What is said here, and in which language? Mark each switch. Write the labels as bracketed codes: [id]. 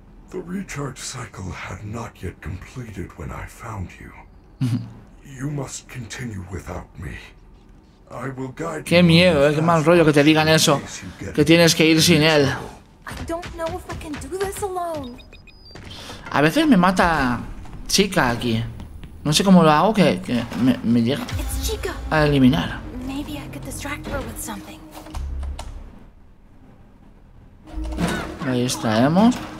[en] The recharge cycle had not yet completed when I found you. You must continue without me. I will guide. [es] Qué miedo, qué mal rollo que te digan eso, que tienes que ir sin él. [en] I don't know if I can do this alone. [es] A veces me mata Chica aquí. No sé cómo lo hago que me llega a eliminar. [en] Maybe I could distract her with something. [es] Ahí estaremos.